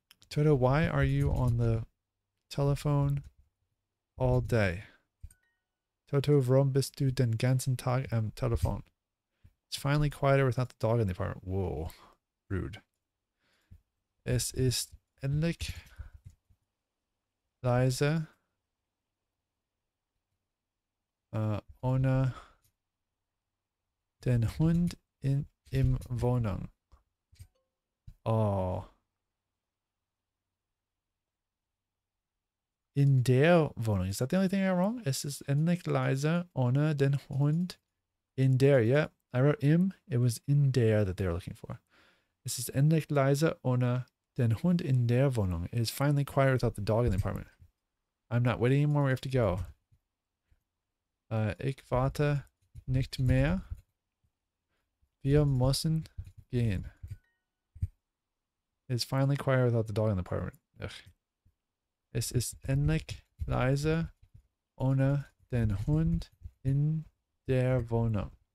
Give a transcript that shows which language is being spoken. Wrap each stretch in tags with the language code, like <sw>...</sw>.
<en>Toto, why are you on the telephone all day?</en> <de>Toto, warum bist du den ganzen Tag am Telefon?</de> <en>It's finally quieter without the dog in the apartment. Whoa, rude.</en> <de>Es ist endlich leise ohne den Hund im Wohnung. Oh. In der Wohnung.</de> <en>Is that the only thing I wrote wrong? Es ist endlich leise ohne den Hund in der. Yeah, I wrote im. It was in der that they were looking for.</en> <de>Es ist endlich leise ohne den Hund in der Wohnung.</de> <en>It is finally quiet without the dog in the apartment. I'm not waiting anymore. We have to go.</en> <de>Ich warte nicht mehr. Wir müssen gehen.</de> <en>It is finally quiet without the dog in the apartment. Ugh.</en> <de>Es ist endlich leise ohne den Hund in der Wohnung.</de>